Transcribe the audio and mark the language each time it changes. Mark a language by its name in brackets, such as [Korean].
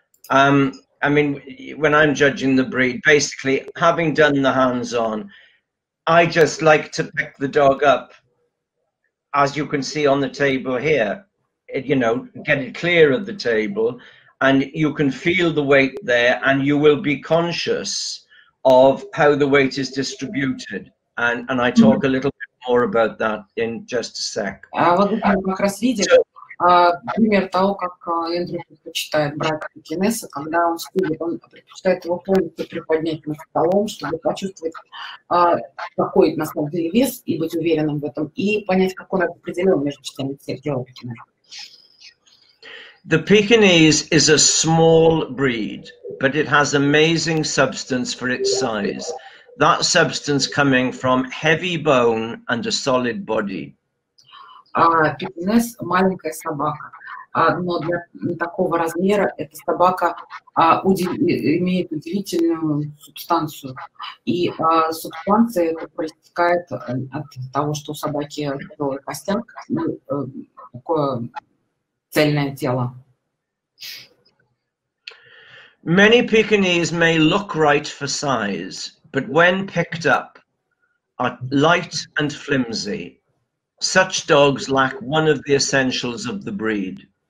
[English] I mean, when I'm judging the breed, basically having done the hands-on, I just like to pick the dog up, as you can see on the table here, get it clear of the table, and you can feel the weight there, and you will be conscious of how the weight is distributed, and I talk a little bit more about that in just a sec. [Russian] Вот это мы как раз видим пример того, как Эндрю предпочитает брать пекинеса, когда он скулит, он предпочитает его полностью приподнять на столом, чтобы почувствовать, какой на самом деле вес, и быть уверенным в этом, и понять, как он определен между частями тела пекинеса. [English] The Pekingese is a small breed, but it has amazing substance for its size. That substance coming from heavy bone and a solid body. [Russian] Пекинес – маленькая собака, но для такого размера эта собака имеет удивительную субстанцию. И субстанция проистекает от того, что у собаки тяжелый костяк, такое цельное тело. [English] Many Pekingese may look right for size, but when picked up, are light and flimsy. Such dogs lack one of the essentials of the breed.